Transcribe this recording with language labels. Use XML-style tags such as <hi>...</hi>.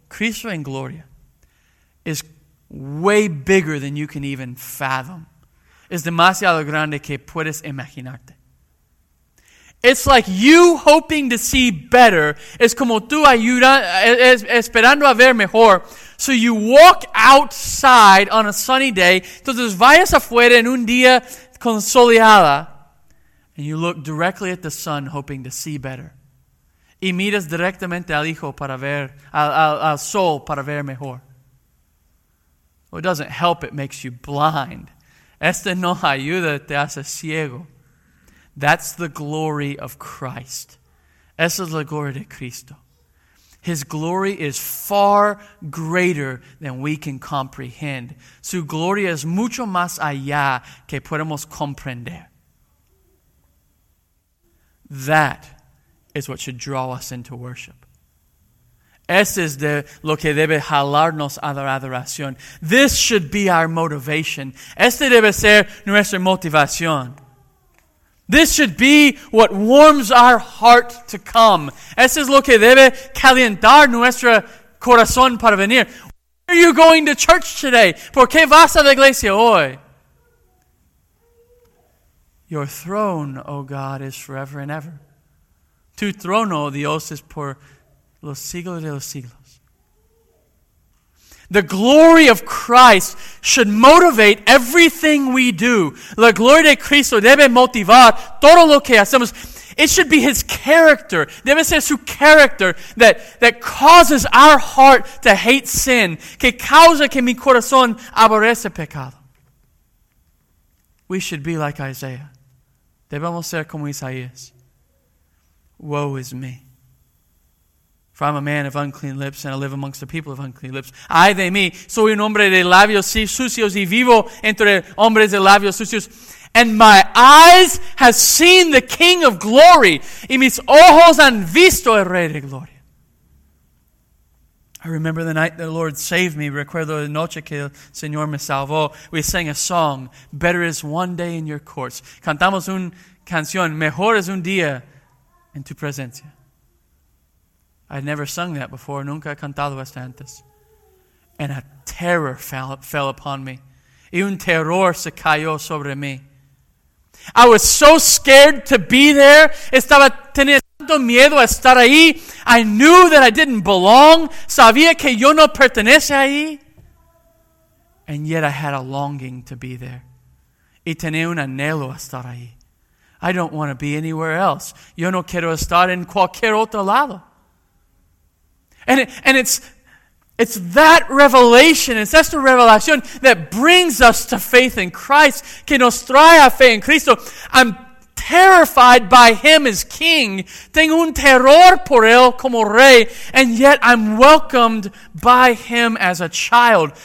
<es>Cristo en gloria</es> <en>is way bigger than you can even fathom.</en> <es>Es demasiado grande que puedes imaginarte.</es> <en>It's like you hoping to see better.</en> <es>Es como tú esperando a ver mejor.</es> <en>So you walk outside on a sunny day.</en> <es>Entonces vayas afuera en un día con soleada.</es> <en>And you look directly at the sun hoping to see better.</en> <es>Y miras directamente al hijo para ver, al sol para ver mejor.</es> <en>Well, it doesn't help. It makes you blind.</en> <es>Este no ayuda, te hace ciego.</es> <en>That's the glory of Christ.</en> <es>Esa es la gloria de Cristo.</es> <en>His glory is far greater than we can comprehend.</en> <es>Su gloria es mucho más allá que podemos comprender.</es> <en>That is what should draw us into worship.</en> <es>Ese es de lo que debe jalarnos a la adoración.</es> <en>This should be our motivation.</en> <es>Este debe ser nuestra motivación.</es> <en>This should be what warms our heart to come.</en> <es>Eso es lo que debe calentar nuestro corazón para venir.</es> <en>Why are you going to church today?</en> <es>¿Por qué vas a la iglesia hoy?</es> <en>Your throne, O God, is forever and ever.</en> <es>Tu trono, Dios, es por los siglos de los siglos.</es> <en>The glory of Christ should motivate everything we do.</en> <es>La gloria de Cristo debe motivar todo lo que hacemos.</es> <en>It should be His character.</en> <es>Debe ser su</es> <en>character that causes our heart to hate sin.</en> <es>Que causa que mi corazón aborrece pecado.</es> <en>We should be like Isaiah.</en> <es>Debemos ser como Isaías.</es> <en>Woe is me. For I'm a man of unclean lips, and I live amongst the people of unclean lips.</en> <es>Ay de mí, soy un hombre de labios sucios, y vivo entre hombres de labios sucios.</es> <en>And my eyes have seen the King of glory,</en> <es>y mis ojos han visto el Rey de gloria.</es> <en>I remember the night the Lord saved me.</en> <es>Recuerdo la noche que el Señor me salvó.</es> <en>We sang a song, Better is one day in your courts.</en> <es>Cantamos una canción, Mejor es un día en tu presencia.</es> <en>I'd never sung that before.</en> <es>Nunca he cantado esto antes.</es> <en>And a terror fell upon me.</en> <es>Y un terror se cayó sobre mí.</es> <en>I was so scared to be there.</en> <es>Estaba teniendo tanto miedo a estar ahí.</es> <en>I knew that I didn't belong.</en> <es>Sabía que yo no pertenece ahí.</es> <en>And yet I had a longing to be there.</en> <es>Y tenía un anhelo a estar ahí.</es> <en>I don't want to be anywhere else.</en> <es>Yo no quiero estar en cualquier otro lado.</es> <en>And it's that revelation, it's</en> <es>esta revelación</es> <en>that brings us to faith in Christ,</en> <es>que nos trae a fe en Cristo.</es> <en>I'm terrified by Him as King.</en> <es>Tengo un terror por Él como Rey,</es> <en>and yet I'm welcomed by Him as a child.</en>